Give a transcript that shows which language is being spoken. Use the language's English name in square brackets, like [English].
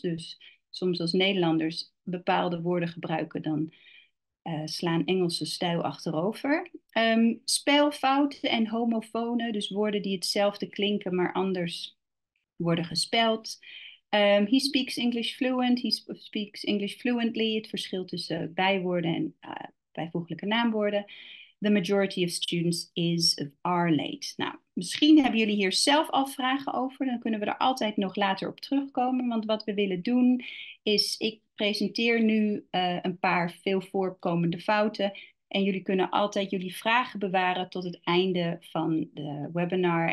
[Dutch] Dus soms als Nederlanders bepaalde woorden gebruiken, dan slaan Engelse stijl achterover. Spelfouten en homofonen, dus woorden die hetzelfde klinken, maar anders worden gespeld. [English] He speaks English fluent, he speaks English fluently. [Dutch] Het verschil tussen bijwoorden en bijvoeglijke naamwoorden. [English] The majority of students is of are late. [Dutch] Nou, misschien hebben jullie hier zelf al vragen over. Dan kunnen we er altijd nog later op terugkomen. Want wat we willen doen is, ik presenteer nu een paar veel voorkomende fouten. En jullie kunnen altijd jullie vragen bewaren tot het einde van de webinar.